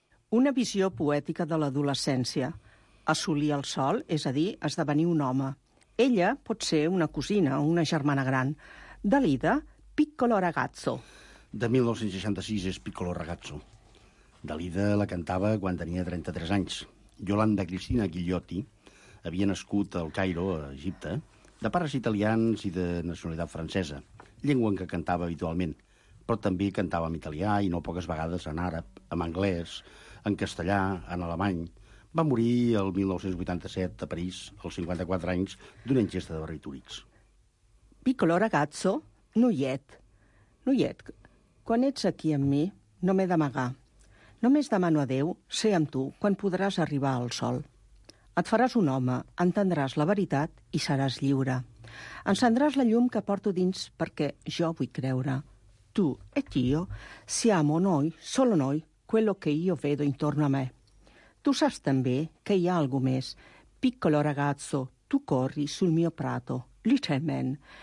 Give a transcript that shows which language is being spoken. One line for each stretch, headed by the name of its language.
Catalan: Una visió poètica de l'adolescència. Assolir el sol, és a dir, esdevenir un home. Ella pot ser una cosina o una germana gran. Dalida, Piccolo Ragazzo. De 1966 és Piccolo Ragazzo. Dalida la cantava quan tenia 33 anys. Yolanda Cristina Ghigliotti havia nascut al Cairo, a Egipte, de pares italians i de nacionalitat francesa, llengua en què cantava habitualment. Però també cantava en italià i no poques vegades en àrab, en anglès, en castellà, en alemany. Va morir el 1987 a París, als 54 anys, d'una ingesta de barbitúrics. Piccolo ragazzo, noiet. Noiet, quan ets aquí amb mi, no m'he d'amagar. Només demano a Déu ser amb tu quan podràs arribar al sol. Et faràs un home, entendràs la veritat i seràs lliure. Encendràs la llum que porto dins perquè jo vull creure.
Italian: Tu et io siamo noi, solo noi, quello che io vedo intorno a me.
Catalan: Tu saps també que hi ha algú més.
Italian: Piccolo ragazzo, tu corri sul mio prato, lì c'è men.